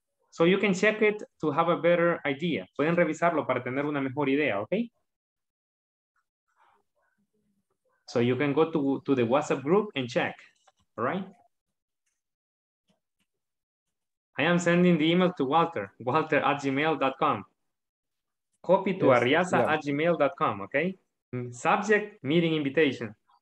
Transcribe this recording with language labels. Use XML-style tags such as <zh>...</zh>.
<en>So you can check it to have a better idea.</en> <es>Pueden revisarlo para tener una mejor idea, okay?</es> <en>So you can go to the WhatsApp group and check, all right? I am sending the email to Walter, walter@gmail.com. Copy to ariasa@gmail.com, okay? Subject, meeting invitation.</en>